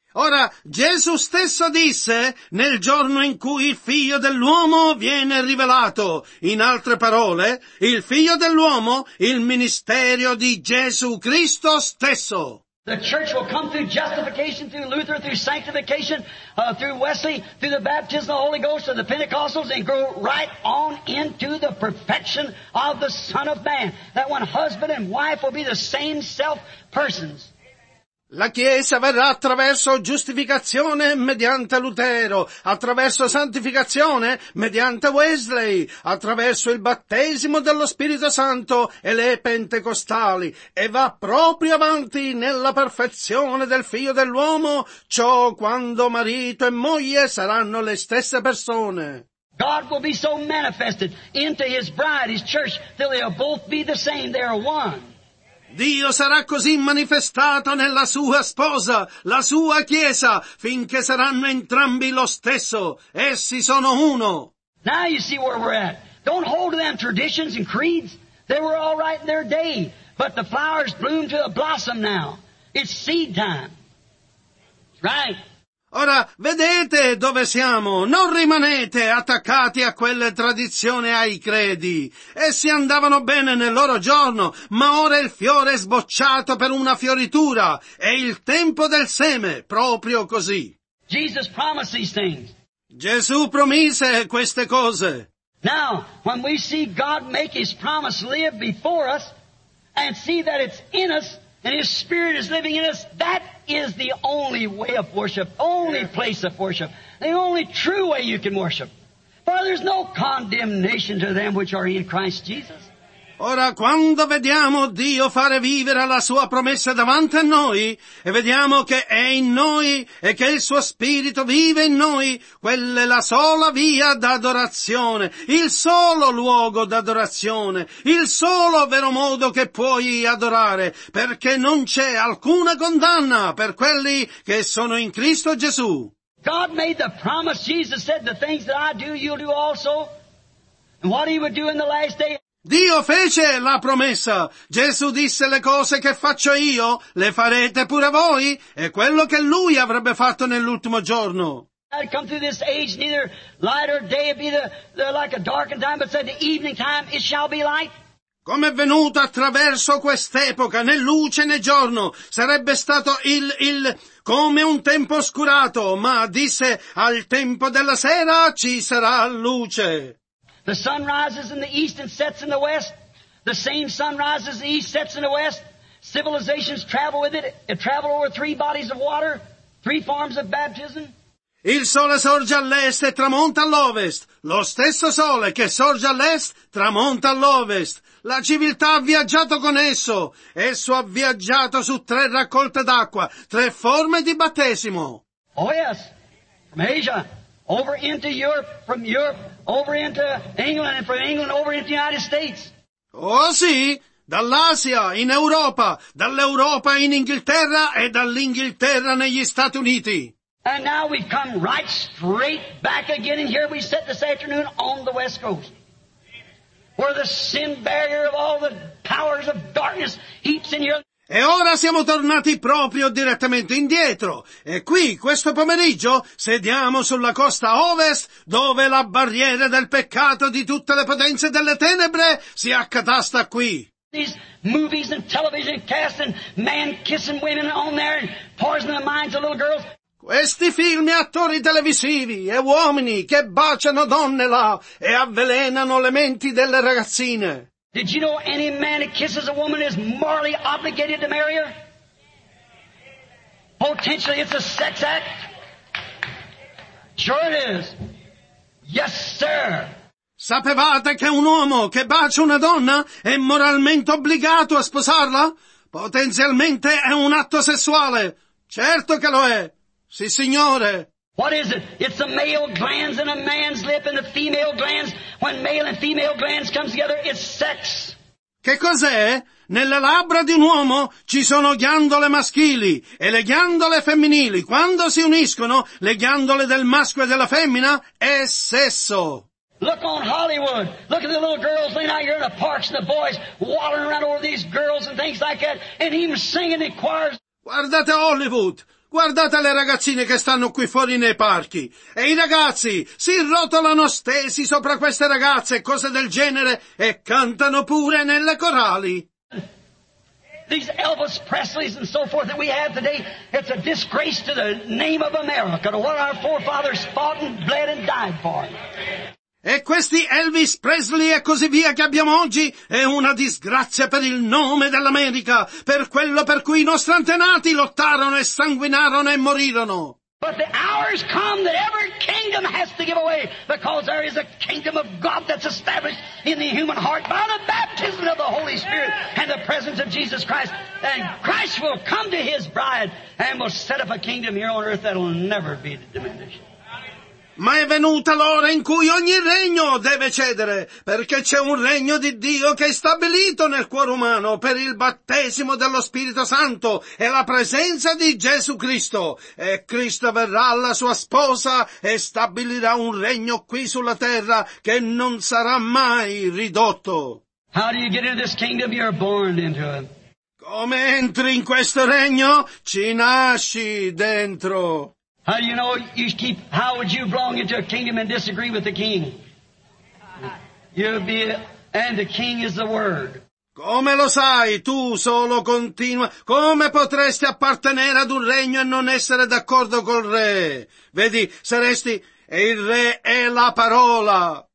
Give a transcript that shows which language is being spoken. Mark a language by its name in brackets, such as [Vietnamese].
[Italian] Ora, Gesù stesso disse nel giorno in cui il figlio dell'uomo viene rivelato. In altre parole, il figlio dell'uomo, il ministero di Gesù Cristo stesso. [English] The church will come through justification, through Luther, through sanctification, through Wesley, through the baptism of the Holy Ghost and the Pentecostals, and grow right on into the perfection of the Son of Man. That one husband and wife will be the same self persons. [Italian] La Chiesa verrà attraverso giustificazione mediante Lutero, attraverso santificazione mediante Wesley, attraverso il battesimo dello Spirito Santo e le pentecostali, e va proprio avanti nella perfezione del Figlio dell'uomo, ciò quando marito e moglie saranno le stesse persone. [English] God will be so manifested into his bride, his church, till they'll both be the same, they're one. [Italian] Dio sarà così manifestato nella sua sposa, la sua chiesa, finché saranno entrambi lo stesso. Essi sono uno. [English] Now you see where we're at. Don't hold to them traditions and creeds. They were all right in their day. But the flowers bloom to a blossom now. It's seed time. Right? [Italian] Ora, vedete dove siamo. Non rimanete attaccati a quelle tradizioni e ai credi. Essi andavano bene nel loro giorno, ma ora il fiore è sbocciato per una fioritura. È il tempo del seme, proprio così. [English] Jesus promised these things. [Italian] Gesù promise queste cose. [English] Now, when we see God make his promise live before us, and see that it's in us, and his spirit is living in us, that is the only way of worship, only place of worship, the only true way you can worship. For there's no condemnation to them which are in Christ Jesus. [Italian] Ora, quando vediamo Dio fare vivere la sua promessa davanti a noi, e vediamo che è in noi e che il suo spirito vive in noi, quella è la sola via d'adorazione, il solo luogo d'adorazione, il solo vero modo che puoi adorare, perché non c'è alcuna condanna per quelli che sono in Cristo Gesù. [English] God made the promise, Jesus said, the things that I do, you'll do also. and what he would do in the last day. [Italian] Dio fece la promessa. Gesù disse: le cose che faccio io, le farete pure voi. E quello che lui avrebbe fatto nell'ultimo giorno. [English] I'd come through this age, neither light or day be the like a darkened time, but said the evening time it shall be light. [Italian] Come è venuto attraverso quest'epoca, né luce né giorno, sarebbe stato il come un tempo oscurato, ma disse al tempo della sera ci sarà luce. [English] The sun rises in the east and sets in the west. The same sun rises in the east, sets in the west. Civilizations travel with it. It travels over three bodies of water, three forms of baptism. [Italian] Il sole sorge all'est e tramonta all'ovest. Lo stesso sole che sorge all'est tramonta all'ovest. La civiltà ha viaggiato con esso. Esso ha viaggiato su tre raccolte d'acqua, tre forme di battesimo. [English] Oh yes, from Asia, over into Europe, from Europe, over into England, and from England over into the United States. [Italian] Oh sì, dall'Asia in Europa, dall'Europa in Inghilterra e dall'Inghilterra negli Stati Uniti. [English] And now we've come right straight back again, and here we sit this afternoon on the West Coast, where the sin barrier of all the powers of darkness heaps in here. [Italian] E ora siamo tornati proprio direttamente indietro, e qui, questo pomeriggio, sediamo sulla costa ovest, dove la barriera del peccato di tutte le potenze delle tenebre si accatasta qui. [English] These movies and television cast and man kissing women on there and poisoning the minds of little girls. [Italian] Questi film e attori televisivi e uomini che baciano donne là e avvelenano le menti delle ragazzine. [English] Did you know any man who kisses a woman is morally obligated to marry her? Potentially it's a sex act? Sure it is. Yes, sir. [Italian] Sapevate che un uomo che bacia una donna è moralmente obbligato a sposarla? Potenzialmente è un atto sessuale. Certo che lo è. Sì, signore. [English] What is it? It's the male glands in a man's lip and the female glands. When male and female glands come together, it's sex. [Italian] Che cos'è? Nelle labbra di un uomo ci sono ghiandole maschili e le ghiandole femminili. Quando si uniscono, le ghiandole del maschio e della femmina è sesso. [English] Look on Hollywood. Look at the little girls laying out here in the parks and the boys waddling around over these girls and things like that and even singing in choirs. [Italian] Guardate Hollywood. Guardate le ragazzine che stanno qui fuori nei parchi. E i ragazzi si rotolano stesi sopra queste ragazze, cose del genere, e cantano pure nelle corali. [English] These Elvis Presleys and so forth that we have today, it's a disgrace to the name of America, to what our forefathers fought and bled and died for. [Italian] E questi Elvis Presley e così via che abbiamo oggi è una disgrazia per il nome dell'America, per quello per cui i nostri antenati lottarono e sanguinarono e morirono. [English] But the hour has come that every kingdom has to give away, because there is a kingdom of God that's established in the human heart by the baptism of the Holy Spirit and the presence of Jesus Christ. And Christ will come to his bride and will set up a kingdom here on earth that will never be diminished. [Italian] Ma è venuta l'ora in cui ogni regno deve cedere, perché c'è un regno di Dio che è stabilito nel cuore umano per il battesimo dello Spirito Santo e la presenza di Gesù Cristo. E Cristo verrà alla sua sposa e stabilirà un regno qui sulla terra che non sarà mai ridotto. [English] How do you get into this kingdom? You're born into it. [Italian] Come entri in questo regno? Ci nasci dentro. [English] How do you know you keep, how would you belong into a kingdom and disagree with the king? You'd be, and the king is the word. [Italian] Come lo sai, tu solo continua, come potresti appartenere ad un regno e non essere d'accordo col re? Vedi, saresti, e il re è la parola.